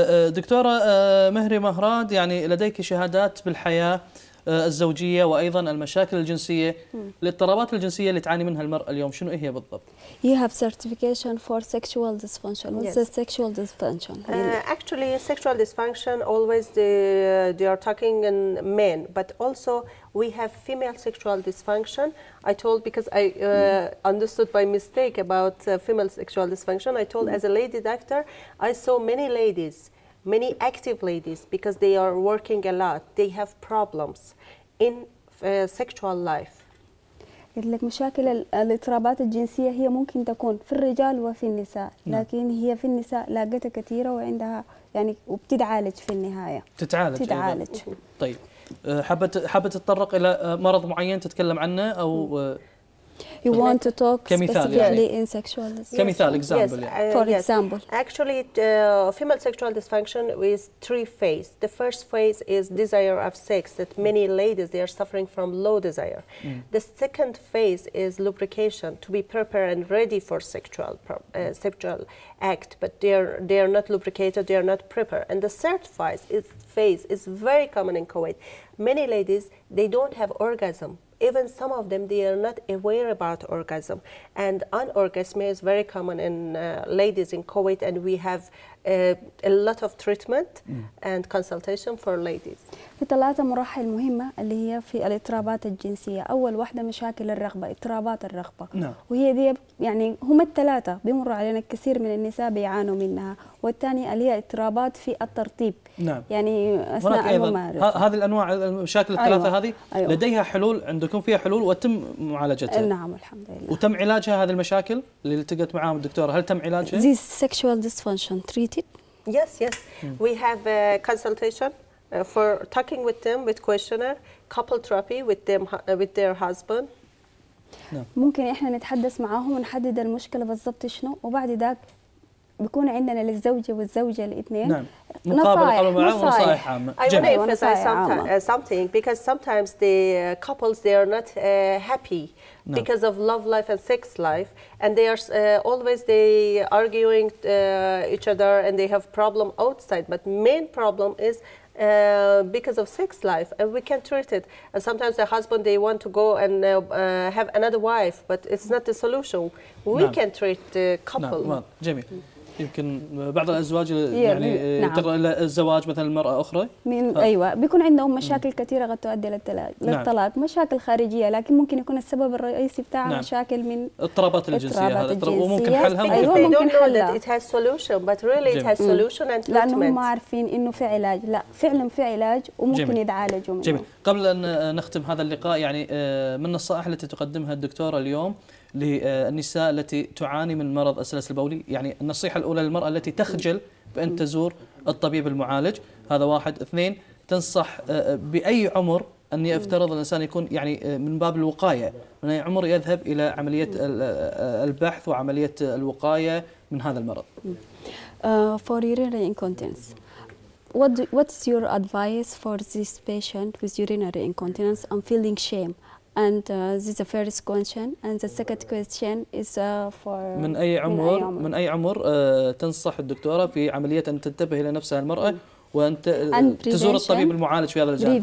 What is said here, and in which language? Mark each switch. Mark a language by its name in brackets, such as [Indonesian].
[Arabic] دكتورة مهري مهراد يعني لديك شهادات بالحياة الزوجية وأيضا المشاكل الجنسية الاضطرابات الجنسية اللي تعاني منها المرأة اليوم شنو هي بالضبط؟ [English] You have certification for sexual dysfunction. What's the sexual dysfunction? Actually, sexual dysfunction always they are talking in men, but also we have female sexual dysfunction. I told because I understood by mistake about female sexual dysfunction. I told as a lady doctor, I saw many ladies. Many active ladies, because they are working a lot, they have problems in sexual life. [Arabic] قلت لك مشاكل الاضطرابات الجنسية هي ممكن تكون في الرجال وفي النساء لكن هي في النساء لقيتها كثيرة وعندها يعني وبتتعالج في النهاية. تتعالج. طيب حابة تتطرق إلى مرض معين تتكلم عنه أو [English] You want to talk specifically in sexual dysfunction? Kemithal, example. Yes. For example. Actually, female sexual dysfunction is three phases. The first phase is desire of sex, that many ladies, they are suffering from low desire. Mm. The second phase is lubrication, to be prepared and ready for sexual sexual act, but they are not lubricated, they are not prepared. And the third phase is very common in Kuwait. Many ladies, they don't have orgasm. Even some of them, they are not aware about orgasm. And anorgasmia is very common in ladies in Kuwait, and we have a lot of treatment and consultation for ladies. [Arabic] في ثلاثة مراحل مهمة اللي هي في الاضطرابات الجنسية. أول واحدة مشاكل الرغبة، اضطرابات الرغبة. وهي دي يعني هم الثلاثة بيمروا علينا كثير من النساء بيعانوا منها. والثاني اللي هي اضطرابات في الترطيب. يعني أثناء الممارسة. هذه الأنواع المشاكل الثلاثة هذه لديها حلول عندكم فيها حلول وتم معالجتها. نعم الحمد لله. وتم علاجها هذه المشاكل اللي التقت معاهم الدكتورة هل تم علاجها؟ [English] This sexual dysfunction treated. Yes yes we have a consultation. For talking with them with questioner couple therapy with them with their husband [Arabic] ممكن احنا نتحدث معاهم ونحدد المشكله بالضبط شنو وبعد ذاك بيكون عندنا للزوجة والزوجة الاثنين نعم. نصائح عامة. [English] I want to emphasize something because sometimes the couples they are not happy because of love life and sex life, and they are always they arguing each other and they have problem outside, but main problem is because of sex life, and we can treat it. And sometimes the husband they want to go and have another wife, but it's not the solution. We can treat the couple. [Arabic] نعم. جميل. يمكن بعض الأزواج يعني يضطر إلى الزواج مثلاً المرأة أخرى. من أيوة. بيكون عندهم مشاكل كثيرة قد تؤدي للطلاق. مشاكل خارجية، لكن ممكن يكون السبب الرئيسي بتاعها مشاكل من اضطرابات الجنسية. وممكن حلها. أيوة ممكن حلها. [English] It has solution, but really it has solution and treatment. [Arabic] لأنهم ما عارفين إنه في علاج. لا فعلاً في علاج وممكن يتعالجوا منه. جميل. قبل أن نختم هذا اللقاء، يعني من النصائح التي تقدمها الدكتورة اليوم للنساء التي تعاني من مرض السلس البولي؟ يعني النصيحة الأولى للمرأة التي تخجل بأن تزور الطبيب المعالج، هذا واحد. اثنين، تنصح بأي عمر أن يفترض الإنسان يكون يعني من باب الوقاية، من أي عمر يذهب إلى عملية البحث وعملية الوقاية من هذا المرض؟ [English] For urinary incontinence, what's your advice for this patient with urinary incontinence and feeling shame? And this is the first question, and the second question is for [Arabic] من أي عمر من أي عمر تنصح الدكتورة في عملية أن تنتبه إلى نفسها المرأة وأن تزور الطبيب المعالج في هذا الجانب؟